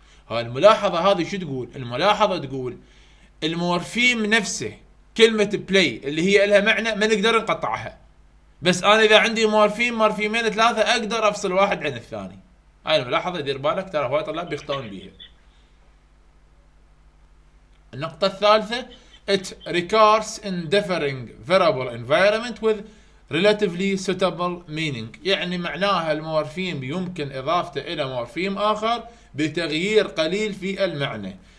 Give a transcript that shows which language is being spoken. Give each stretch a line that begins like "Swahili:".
Arabic: الملاحظة هذه شو تقول؟ الملاحظة تقول المورفيم نفسه كلمة play اللي هي لها معنى ما نقدر نقطعها، بس أنا إذا عندي مورفيمين ثلاثة أقدر أفصل واحد عن الثاني. هاي الملاحظة دير بالك، ترى هواي طلاب بيخطئون بيها. النقطة الثالثة
English: it recurs in differing variable environment with relatively suitable meaning.
Arabic: يعني معناها المورفيم يمكن إضافته إلى مورفيم آخر بتغيير قليل في المعنى.